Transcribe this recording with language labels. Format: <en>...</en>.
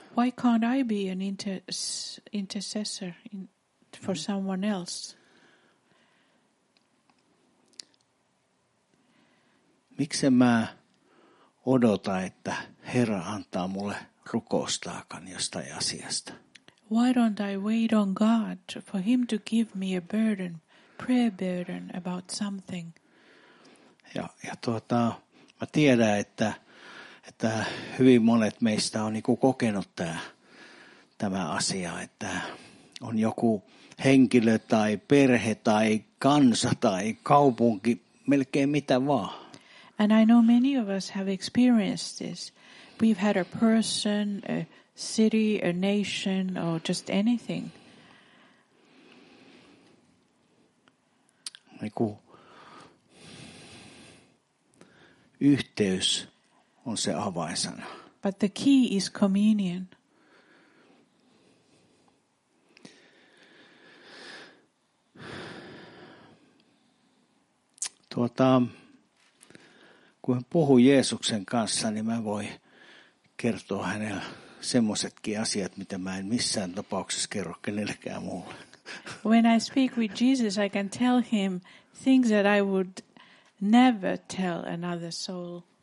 <en>Why can't I be an intercessor for someone else?</en> <fi>Miksi mä odotan, että Herra antaa mulle rukoustaakan jostain asiasta?</fi> <en>Why don't I wait on God for him to give me a burden, prayer burden about something?</en> <fi>Ja mä tiedän, että hyvin monet meistä on niinku kokenut tämä asia, että on joku henkilö tai perhe tai kansa tai kaupunki, melkein mitä vaan.</fi> <en>And I know many of us have experienced this. We've had a person, a city, a nation, or just anything.</en> <fi>Niinku yhteys on se avainsana.</fi> <en>But the key is communion.</en> <fi>Kun hän puhuu Jeesuksen kanssa, niin mä voi kertoa hänelle semmoisetkin asiat, mitä mä en missään tapauksessa kerro kenellekään muulle.</fi> <en>When I speak with Jesus, I can tell him things that I would never tell another soul.</en>